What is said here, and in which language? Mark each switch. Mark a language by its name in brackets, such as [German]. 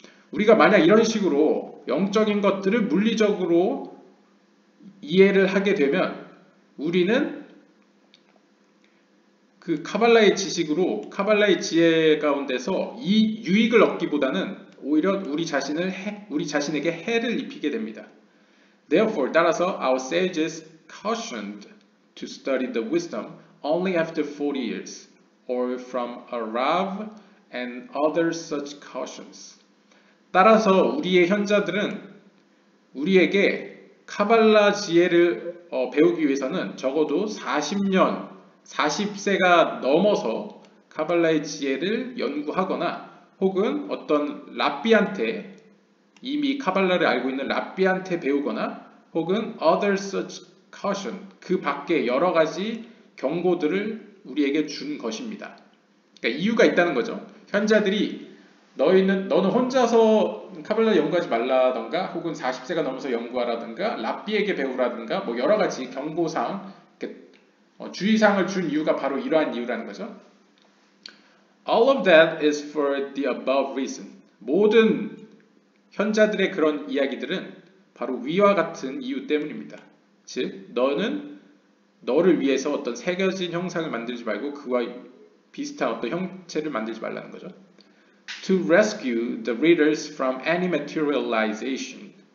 [Korean] 우리가 만약 이런 식으로 영적인 것들을 물리적으로 이해를 하게 되면 우리는 그 카발라의 지식으로, 카발라의 지혜 가운데서 이 유익을 얻기보다는 오히려 우리 자신에게 해를 입히게 됩니다. [English] Therefore, [Korean] 따라서 [English] our sages cautioned to study the wisdom only after 40 years or from a rav and other such cautions. [Korean] 따라서 우리의 현자들은 우리에게 카발라 지혜를 배우기 위해서는 적어도 40년, 40세가 넘어서 카발라의 지혜를 연구하거나 혹은 어떤 랍비한테, 이미 카발라를 알고 있는 랍비한테 배우거나 혹은 [English] other such caution, [Korean] 그 밖에 여러 가지 경고들을 우리에게 준 것입니다. 그러니까 이유가 있다는 거죠. 현자들이 너는 혼자서 카발라 연구하지 말라던가 혹은 40세가 넘어서 연구하라던가 랍비에게 배우라던가 뭐 여러 가지 경고사항, 주의사항을 준 이유가 바로 이러한 이유라는 거죠. [English] All of that is for the above reason. [Korean] 모든 현자들의 그런 이야기들은 바로 위와 같은 이유 때문입니다. 즉, 너를 위해서 어떤 새겨진 형상을 만들지 말고 그와 비슷한 어떤 형체를 만들지 말라는 거죠. [English] To rescue the readers from any materialization.